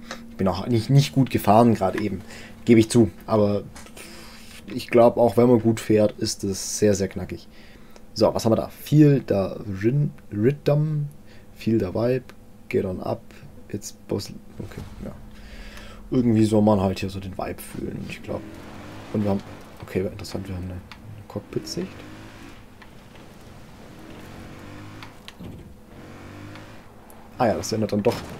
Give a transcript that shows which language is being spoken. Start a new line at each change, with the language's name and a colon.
German: Ich bin auch nicht gut gefahren gerade eben, gebe ich zu. Aber ich glaube, auch wenn man gut fährt, ist es sehr, sehr knackig. So, was haben wir da?
English: Feel the rhythm, feel the vibe, get on up, it's possible.
German: Okay, ja. Irgendwie soll man halt hier so den Vibe fühlen, ich glaube. Und wir haben, okay, war interessant, wir haben eine Cockpit-Sicht. Ah ja, das ändert dann doch.